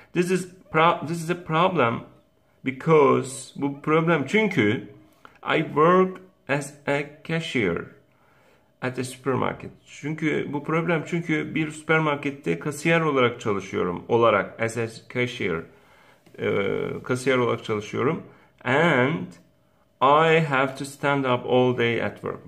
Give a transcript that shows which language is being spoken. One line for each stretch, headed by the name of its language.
English: This is a problem because
Turkish: bu problem çünkü
English: I work as a cashier at a supermarket.
Turkish: Çünkü bu problem çünkü bir süpermarkette kasiyer olarak çalışıyorum. Olarak
English: as a cashier
Turkish: kasiyer olarak çalışıyorum.
English: And I have to stand up all day at work.